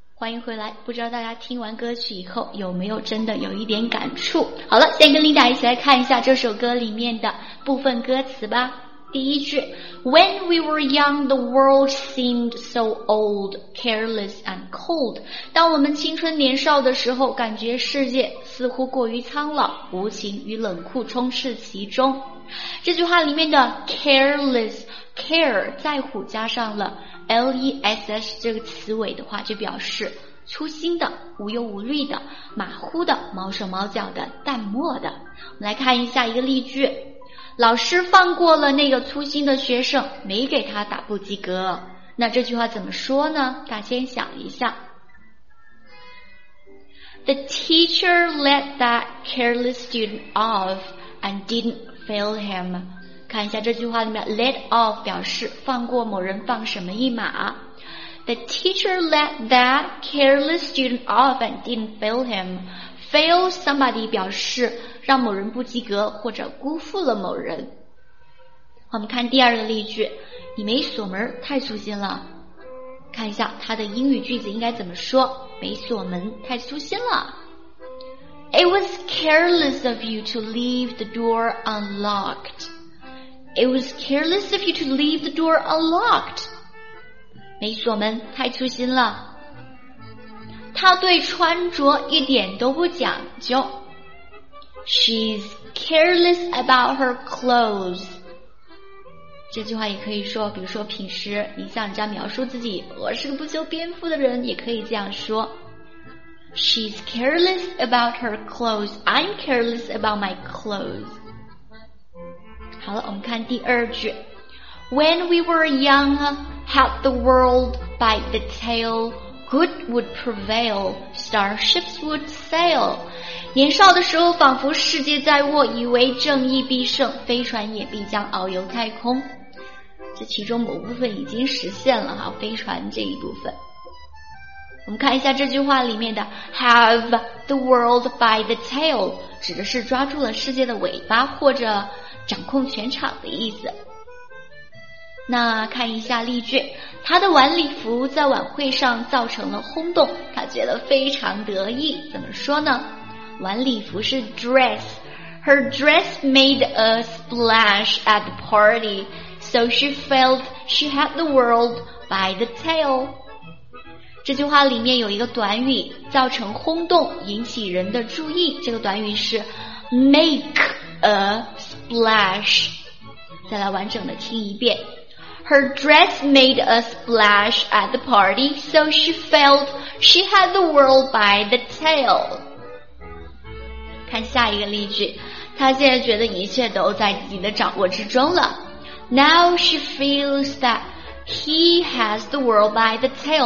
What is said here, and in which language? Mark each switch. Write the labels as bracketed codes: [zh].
[zh] 迎回来。不知道大家听完歌曲以后有没有真的有一点感触。好了，先跟 Linda 一起来看一下这首歌里面的部分歌词吧。第一句， [en] When we were young, the world seemed so old, careless and cold. [zh] 当我们青春年少的时候，感觉世界似乎过于苍老，无情与冷酷充斥其中。这句话里面的 careless, care, 在乎加上了 less 这个词尾的话，就表示粗心的、无忧无虑的、马虎的、毛手毛脚的、淡漠的。我们来看一下一个例句，老师放过了那个粗心的学生，没给他打不及格。那这句话怎么说呢？大家先想一下。 [en] The teacher let that careless student off and didn't fail him. [zh] 看一下这句话里面 let off 表示放过某人，放什么一马。 [en] The teacher let that careless student off and didn't fail him. [zh] Fail somebody 表示让某人不及格或者辜负了某人。我们看第二个例句，你没锁门太粗心了。看一下它的英语句子应该怎么说，没锁门太粗心了。 [en] It was careless of you to leave the door unlocked. It was careless of you to leave the door unlocked. [zh] 没锁门太粗心了。他对穿着一点都不讲究。 [en] She's careless about her clothes. [zh] 这句话也可以说，比如说平时你向人家描述自己，我是个不修边幅的人，也可以这样说。 [en] She's careless about her clothes. I'm careless about my clothes. [zh] 好了，我们看第二句。 [en] When we were young, had the world by the tail. Good would prevail, starships would sail. [zh] 年少的时候仿佛世界在握，以为正义必胜，飞船也必将遨游太空。这其中某部分已经实现了哈，飞船这一部分。我们看一下这句话里面的 [en] have the world by the tail, [zh] 指的是抓住了世界的尾巴或者掌控全场的意思。那看一下例句，他的晚礼服在晚会上造成了轰动，他觉得非常得意。怎么说呢？晚礼服是 dress. [en] Her dress made a splash at the party, so she felt she had the world by the tail. [zh] 这句话里面有一个短语，造成轰动，引起人的注意。这个短语是 [en] make a splash. [zh] 再来完整的听一遍。 [en] Her dress made a splash at the party, so she felt she had the world by the tail. [zh] 看下一个例句，她现在觉得一切都在自己的掌握之中了。 [en] Now she feels that he has the world by the tail.